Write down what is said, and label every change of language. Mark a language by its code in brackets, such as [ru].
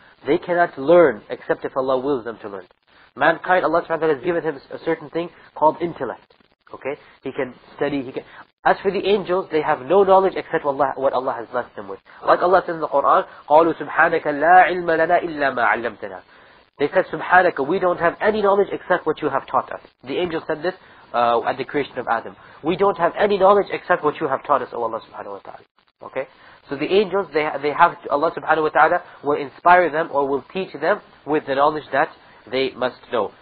[en] They cannot learn except if Allah wills them to learn. Mankind, Allah subhanahu wa ta'ala has given him a certain thing called intellect. Okay? He can study, he can... As for the angels, they have no knowledge except what Allah has blessed them with. Like Allah says in the Quran, [ar] قَالُوا سُبْحَانَكَ لَا عِلْمَ لَنَا إِلَّا مَا عَلَّمْتَنَا. [en] They said, سُبْحَانَكَ, we don't have any knowledge except what you have taught us. The angels said this at the creation of Adam. We don't have any knowledge except what you have taught us, O Allah subhanahu wa ta'ala. Okay? So the angels, they have to, Allah subhanahu wa ta'ala will inspire them or will teach them with the knowledge that they must know.